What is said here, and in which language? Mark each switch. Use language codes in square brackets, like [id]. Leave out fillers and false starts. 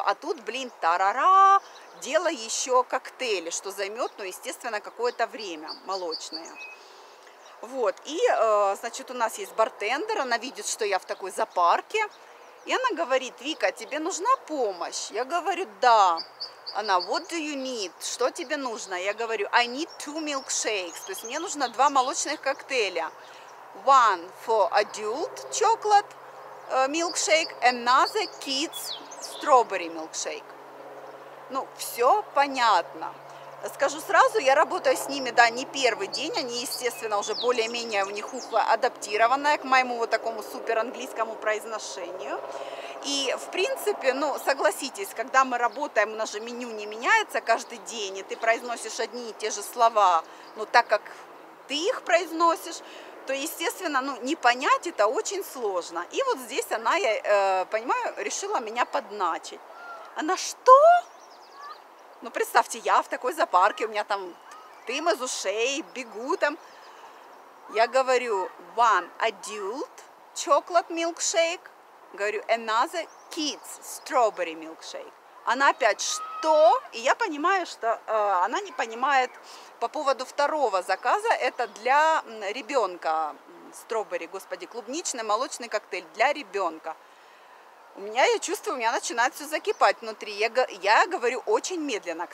[ru] А тут, блин, тарара, дело еще коктейли, что займет, ну, естественно, какое-то время молочное. Вот, и, значит, у нас есть бартендер, она видит, что я в такой зоопарке. И она говорит: «Вика, тебе нужна помощь?» Я говорю: «Да». Она: [en] «What do you need?» [ru] «Что тебе нужно?» Я говорю: [en] «I need two milkshakes». [ru] То есть мне нужно два молочных коктейля. [en] One for adult chocolate milkshake, another kids strawberry milkshake. [ru] Ну, все понятно. Скажу сразу, я работаю с ними, да, не первый день. Они, естественно, уже более-менее, у них ухо адаптированное к моему вот такому суперанглийскому произношению. И, в принципе, ну, согласитесь, когда мы работаем, у нас же меню не меняется каждый день, и ты произносишь одни и те же слова, ну, так как ты их произносишь, то, естественно, ну, не понять это очень сложно. И вот здесь она, я понимаю, решила меня подначить. Она: «Что?» Ну, представьте, я в такой зоопарке, у меня там дым из ушей, бегу там. Я говорю: [en] «One adult chocolate milkshake». [ru] Говорю: [en] «Another kids strawberry milkshake». [ru] Она опять: «Что?» И я понимаю, что она не понимает по поводу второго заказа. Это для ребенка strawberry, господи, клубничный молочный коктейль для ребенка. У меня, я чувствую, у меня начинает все закипать внутри. Я говорю очень медленно.